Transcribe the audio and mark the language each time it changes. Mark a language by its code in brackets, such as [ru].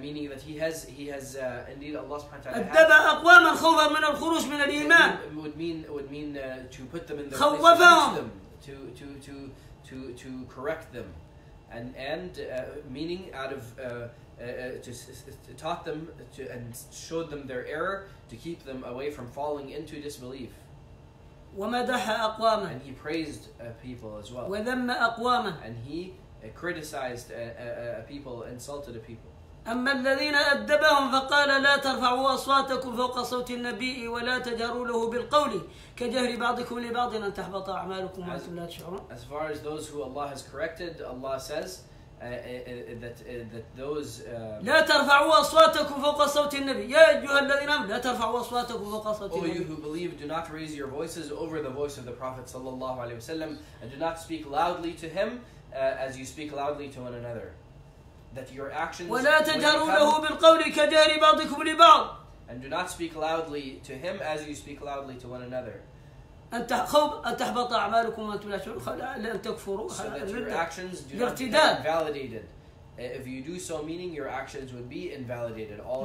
[en] Meaning that he has indeed Allah subhanahu wa ta'ala [ar] أدب أقواما خوفا من الخروج من الإيمان [en] would mean to put them in the place to teach them to correct them and meaning out of to taught them to and showed them their error to keep them away from falling into disbelief [ar] ومدح أقواما [en] and he praised people as well [ar] وذم أقواما [en] and he criticized people insulted a people [ar] أما الذين أدبهم فقال لا ترفعوا أصواتكم فوق صوت النبي ولا تجهروا له بالقول كجهر بعضكم لبعض أن تحبط أعمالكم وأنتم لا تشعرون. [en] As far as those who Allah has corrected, Allah says that those [ar] لا ترفعوا أصواتكم فوق صوت النبي يا أيها الذين آمنوا لا ترفعوا أصواتكم فوق صوت النبي. [en] Oh you who believe, do not raise your voices over the voice of the Prophet صلى الله عليه وسلم and do not speak loudly to him as you speak loudly to one another. That your actions [ar] ولا تجهروا له بالقول كجهر بعضكم لبعض [en] and do not speak loudly to him as you speak loudly to one another [ar] ان تحبط اعمالكم وانتم لا تشعرون ان تكفروا [en] so that your actions do not be invalidated if you do so meaning your actions would be invalidated all